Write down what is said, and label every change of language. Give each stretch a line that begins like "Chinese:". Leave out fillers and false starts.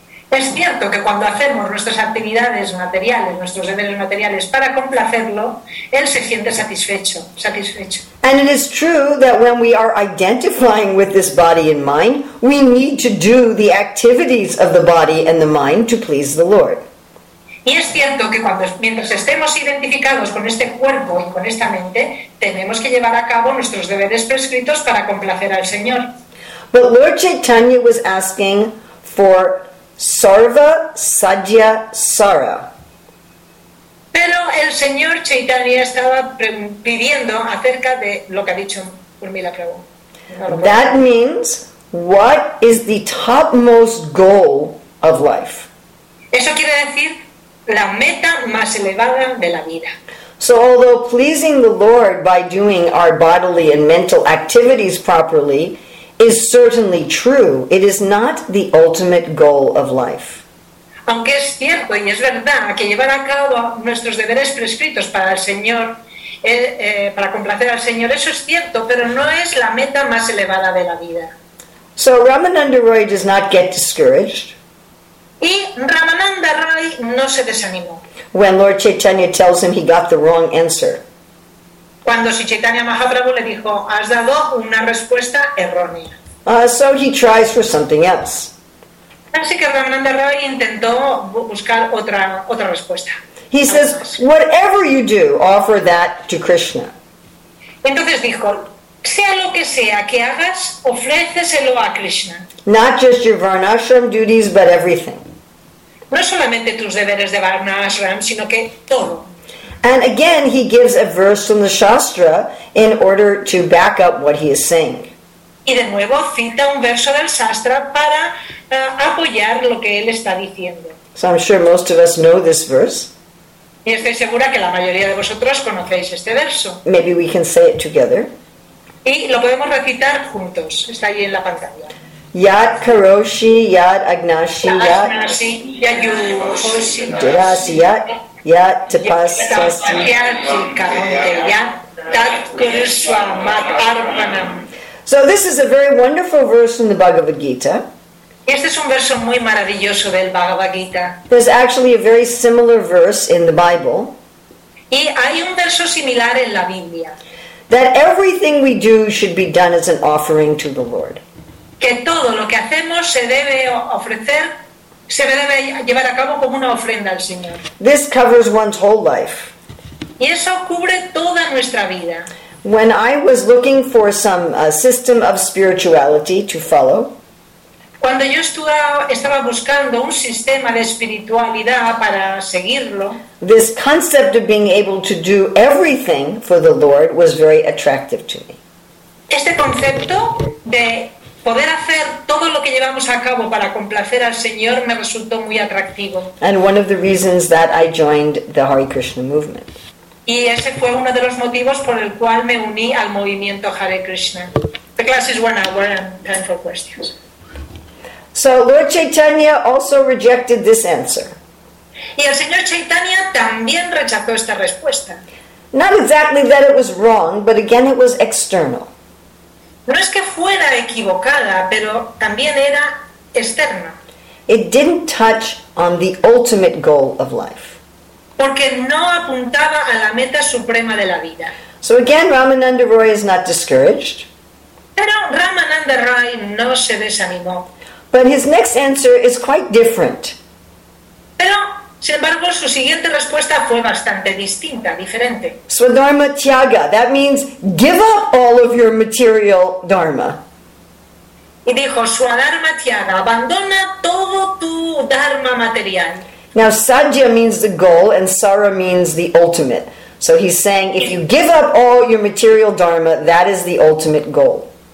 Spanish: Es cierto que cuando hacemos nuestras actividades materiales, nuestros deberes materiales para complacerlo, él se siente satisfecho.
English: And it is true that when we are identifying with this body and mind, we need to do the activities of the body and the mind to please the Lord.
Spanish: Y es cierto que mientras estemos identificados con este cuerpo y con esta mente, tenemos que llevar a cabo nuestros deberes prescritos para complacer al Señor.
English: But Lord Chaitanya was asking for
Sanskrit: sarva sadhya sara.
Spanish: Pero el Señor Chaitanya estaba pidiendo acerca de lo que ha dicho Urmila Prabhu. No,
English: that means what is the topmost goal of life.
Spanish: Eso quiere decir la meta más elevada de la vida.
English: So although pleasing the Lord by doing our bodily and mental activities properly is certainly true, it is not the ultimate goal of life.
Spanish: Aunque es cierto y es verdad que llevar a cabo nuestros deberes prescritos para el Señor, para complacer al Señor, eso es cierto, pero no es la meta más elevada de la vida.
English: So Ramananda Roy does not get discouraged.
Spanish: Y Ramananda Rai no se desanimó.
English: When Lord Chaitanya tells him he got the wrong answer.
Spanish: Cuando Sri Chaitanya Mahaprabhu le dijo, has dado una respuesta errónea.
English: So he tries for something else.
Spanish: Así que Ramananda Rai intentó buscar otra respuesta.
English: He says, whatever you do, offer that to Krishna.
Spanish: Entonces dijo, sea lo que sea que hagas, ofréceselo a Krishna.
English: Not just your varnashram duties, but everything.
Spanish: No solamente tus deberes de varnashram, sino que todo.
English: And again, he gives a verse from the Shastra in order to back up what he is saying.
Spanish: Y de nuevo cita un verso del Shastra para apoyar lo que él está diciendo.
English: So I'm sure most of us know this verse.
Spanish: Y estoy segura que la mayoría de vosotros conocéis este verso.
English: Maybe we can say it together.
Spanish: Y lo podemos recitar juntos. Está ahí en la pantalla.
Sanskrit: Yat karoshi, yat agnashi, yat dirasi, yat tapasasi, yat tat kurusva mat arpanam.
English: So this is a very wonderful verse in the Bhagavad Gita.
Spanish: Este es un verso muy maravilloso del Bhagavad Gita.
English: There's actually a very similar verse in the Bible.
Spanish: Y hay un verso similar en la Biblia.
English: That everything we do should be done as an offering to the Lord.
Spanish: Que todo lo que hacemos se debe ofrecer, se debe llevar a cabo como una ofrenda al Señor.
English: This covers one's whole life.
Spanish: Y eso cubre toda nuestra vida.
English: When I was looking for some system of spirituality to follow,
Spanish: cuando yo estaba buscando un sistema de espiritualidad para seguirlo,
English: this concept of being able to do everything for the Lord was very attractive to me.
Spanish: Este concepto de poder hacer todo lo que llevamos a cabo para complacer al Señor me resultó muy atractivo.
English: And one of the reasons that I joined the Hare Krishna movement.
Spanish: Y ese fue uno de los motivos por el cual me uní al movimiento Hare Krishna.
English: The class is 1 hour and time for questions. So Lord Chaitanya also rejected this answer.
Spanish: Y el señor Chaitanya también rechazó esta respuesta.
English: Not exactly that it was wrong, but again it was external.
Spanish: No es que fuera equivocada, pero también era externa.
English: It didn't touch on the ultimate goal of life.
Spanish: Porque no apuntaba a la meta suprema de la vida.
English: So again, Ramananda Roy is not discouraged.
Spanish: Pero Ramananda Roy no se desanimó.
English: But his next answer is quite different.
Spanish: Pero, sin embargo, su siguiente respuesta fue bastante distinta, diferente.
English: Swadharma Tyaga, that means give up all of your material dharma.
Spanish: Y dijo, Swadharma Tyaga, abandona todo tu dharma material.
English: Now, sadhya means the goal and sara means the ultimate. So he's saying, if you give up all your material dharma, that is the ultimate goal.